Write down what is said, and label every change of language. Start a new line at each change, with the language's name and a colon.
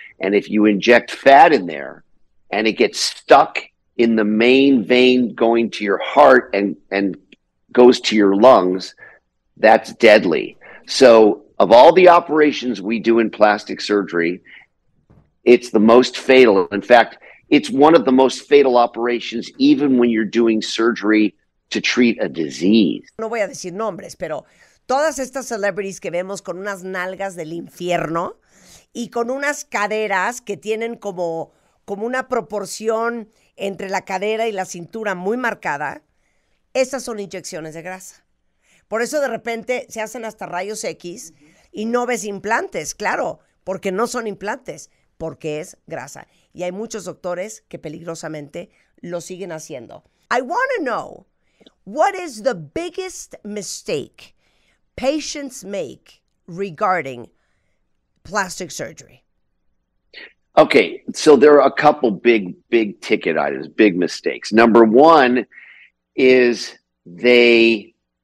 English: And if you inject fat in there and it gets stuck in the main vein going to your heart and goes to your lungs, that's deadly. So of all the operations we do in plastic surgery, it's the most fatal. In fact, it's one of the most fatal operations, even when you're doing surgery to treat a disease.
Spanish: No voy a decir nombres, pero todas estas celebrities que vemos con unas nalgas del infierno y con unas caderas que tienen como una proporción entre la cadera y la cintura muy marcada, esas son inyecciones de grasa. Por eso de repente se hacen hasta rayos X y no ves implantes, claro, porque no son implantes, porque es grasa. Y hay muchos doctores que peligrosamente lo siguen haciendo.
English: I want to know, what is the biggest mistake patients make regarding plastic surgery? Okay, so there are a couple big ticket items, big mistakes. Number one is they